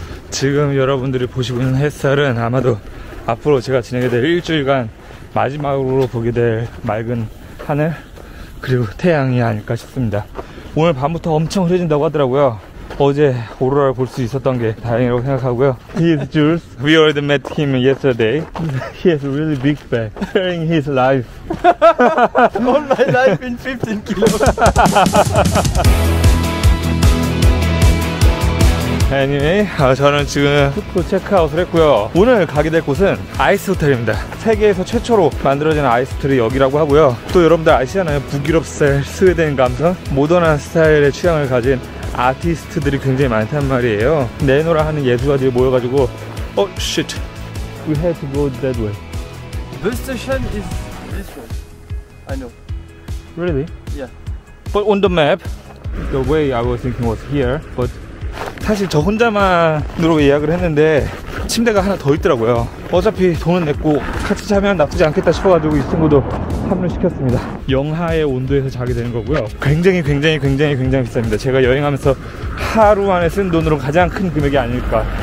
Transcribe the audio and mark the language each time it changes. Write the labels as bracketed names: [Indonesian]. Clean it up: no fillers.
[Korean] 지금 여러분들이 보시고 있는 햇살은 아마도 앞으로 제가 지내게 될 일주일간 마지막으로 보게 될 맑은 하늘, 그리고 태양이 아닐까 싶습니다. 오늘 밤부터 엄청 흐려진다고 하더라고요. 어제 오로라를 볼 수 있었던 게 다행이라고 생각하고요. [English] He is Jules. We already met him yesterday. He has a really big bag carrying his life. All my life in 15 kilos. [Korean] Anyway, 저는 지금 숙소 체크아웃을 했고요. 오늘 가게 될 곳은 아이스 호텔입니다. 세계에서 최초로 만들어진 아이스 호텔이 여기라고 하고요. 또 여러분들 아시잖아요. 북유럽 스타일, 스웨덴 감성, 모던한 스타일의 취향을 가진 아티스트들이 굉장히 많단 말이에요. 내노라 하는 예술가들이 모여가지고 [English] Oh shit! We have to go that way. This station is this way. I know. Really? Yeah. But on the map, the way I was thinking was here, but [Korean] 사실 저 혼자만으로 예약을 했는데 침대가 하나 더 있더라고요. 어차피 돈은 냈고 같이 자면 나쁘지 않겠다 싶어가지고 이 친구도 합류 시켰습니다. 영하의 온도에서 자게 되는 거고요. 굉장히 굉장히 굉장히 굉장히 비쌉니다. 제가 여행하면서 하루 안에 쓴 돈으로 가장 큰 금액이 아닐까.